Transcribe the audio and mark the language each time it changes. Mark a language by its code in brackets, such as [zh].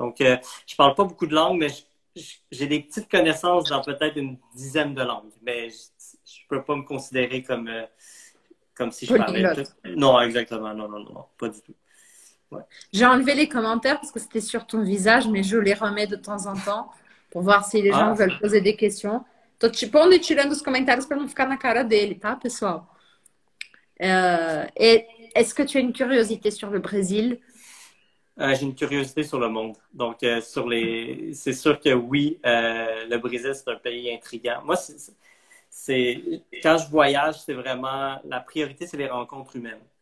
[fr] Je parle pas beaucoup de langues, mais j'ai des petites connaissances dans peut-être une dizaine de langues, mais je peux pas me considérer comme si je parlais Polyglotte. tout. Non, exactement. Non, non, non, non, pas du tout. Ouais. J'ai enlevé les commentaires parce que c'était sur ton visage, mais je les remets de temps en temps pour voir si les gens Ah. veulent poser des questions. [pt] Estou tipo tirando os comentários para não ficar na cara dele, tá, pessoal? [fr] Est-ce que tu as une curiosité sur le Brésil? J'ai une curiosité sur le monde. C'est sûr que oui, le Brésil, c'est un pays intriguant. Moi, quand je voyage, c'est vraiment la priorité, c'est les rencontres humaines.